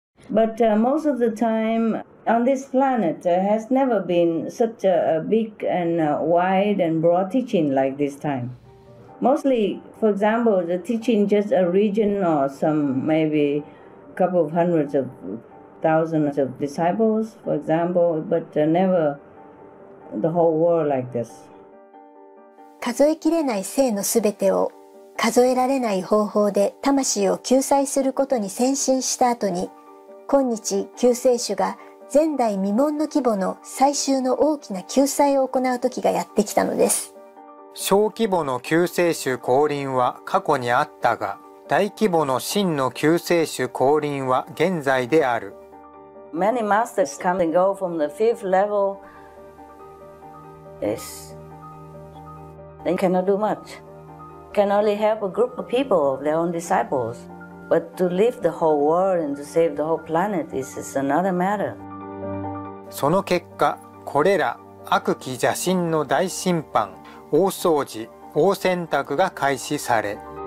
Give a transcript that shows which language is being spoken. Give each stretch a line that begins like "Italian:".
English: But most of the time on this planet has never been such a big and wide and broad teaching like this time. Mostly, for example, the teaching just a region or some maybe a couple of hundreds of... thousands of disciples, for example, but never the whole world like this.
Japanese: 数えきれない生のすべてを数えられない方法で魂を救済することに先進した後に、今日救世主が前代未聞の規模の最終の大きな救済を行う時がやってきたのです。小規模の救世主降臨は過去にあったが、大規模の真の救世主降臨は現在である。
English: Many masters come and go from the fifth level. Yes. They cannot do much. Can only help a group of people, their own disciples. But to leave the whole world and to save the whole planet is another matter.
Japanese: その結果、これら悪鬼邪神の大審判、大掃除、大洗濯が開始され、